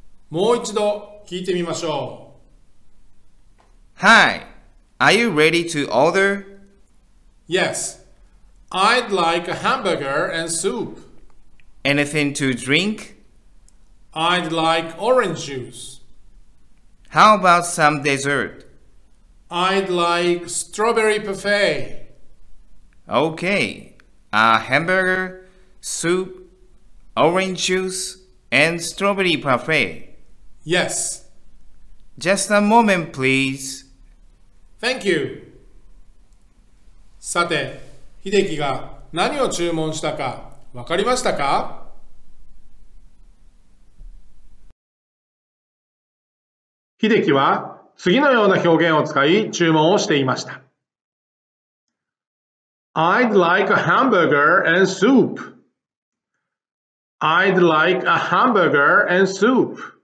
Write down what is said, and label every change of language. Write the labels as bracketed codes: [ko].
[ja] もう一度聞いてみましょう。 [en] Hi, are you ready to order? Yes, I'd like a hamburger and soup. Anything to drink? I'd like orange juice. How about some dessert? I'd like strawberry parfait. Okay, a hamburger, soup,Orange juice and strawberry parfait. Yes. Just a moment, please. Thank you. [ja] さて、秀樹が何を注文したか分かりましたか？秀樹は次のような表現を使い注文をしていました。 [en] I'd like a hamburger and soup. I'd like a hamburger and soup.